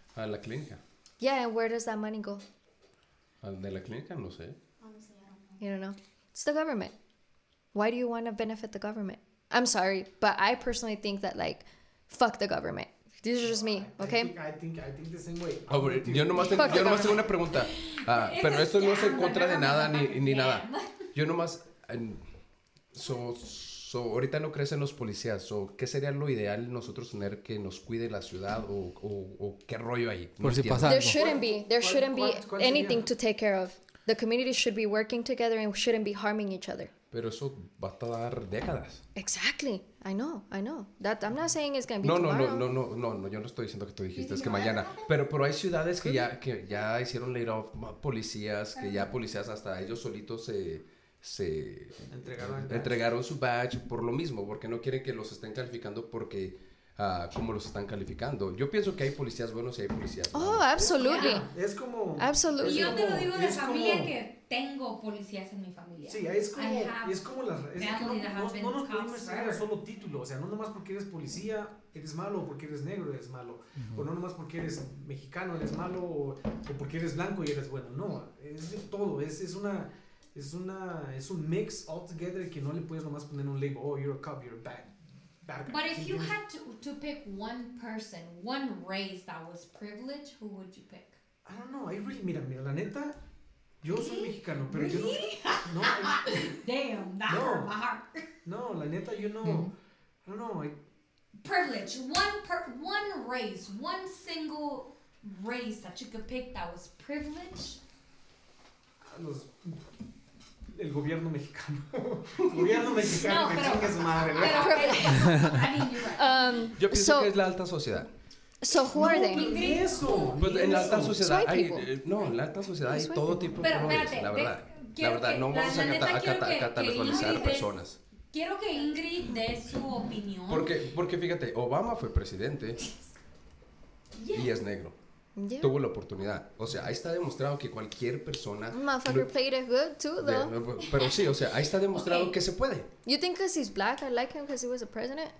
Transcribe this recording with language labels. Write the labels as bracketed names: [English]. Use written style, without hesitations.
[Spanish] A la clínica. [English] Yeah, and where does that money go? [Spanish] Al de la clínica, no sé. [English] Honestly, I don't know. You don't know. It's the government. Why do you want to benefit the government? I'm sorry, but I personally think that like, fuck the government. This is just me, okay? I think the same way. [Spanish] Yo nomás tengo una pregunta. Pero esto no es en contra de nada ni nada. Yo nomás... ahorita no crecen los policías. So, ¿qué sería lo ideal nosotros tener que nos cuide la ciudad? ¿O qué rollo ahí? Por si pasa algo. [English] There shouldn't be. There shouldn't be anything to take care of. The community should be working together and shouldn't be harming each other. [Spanish] Pero eso va a tardar décadas. [English] Exactly. I know. That I'm not saying it's going to be tomorrow. [Spanish] No, yo no estoy diciendo que tú dijiste es que mañana, pero hay ciudades que ya hicieron laid off policías, que ya policías hasta ellos solitos se entregaron su badge por lo mismo, porque no quieren que los estén calificando porque cómo los están calificando. Yo pienso que hay policías buenos y hay policías malos. [English] Oh, absolutely. [Spanish] Es como... [English] Absolutely. [Spanish] Y yo te lo digo de familia que tengo policías en mi familia. Sí, es como... No nos podemos estar a solo título. O sea, no nomás porque eres policía, eres malo, o porque eres negro, eres malo. Uh-huh. O no nomás porque eres mexicano, eres malo, o porque eres blanco y eres bueno. No, es de todo. Es un mix altogether que no le puedes nomás poner un label. [English] Oh, you're a cop, you're a bad. But if you had to pick one person, one race that was privileged, who would you pick? [Spanish] I don't know. I really, mira, la neta, yo soy mexicano, pero yo no. No. [English] Damn, that hurt my heart. No, la neta, you know, mm-hmm. I don't know. Privilege, one race, one single race that you could pick that was privileged. [Spanish] El gobierno mexicano. Gobierno mexicano, que chingue su madre, ¿verdad? [English] Pero, I mean, [Spanish] yo pienso que es la alta sociedad. [English] So who are they? [Spanish] En la alta sociedad hay todo tipo de colores, la verdad. No vamos a catalogar a personas. Quiero que Ingrid dé su opinión. Porque fíjate, Obama fue presidente y es negro. Yeah. Tuvo la oportunidad. O sea, ahí está demostrado que cualquier persona... [English] Motherfucker played it good too, though. [Spanish] Pero sí, o sea, ahí está demostrado que se puede. [English] You think because he's black, I like him because he was a president?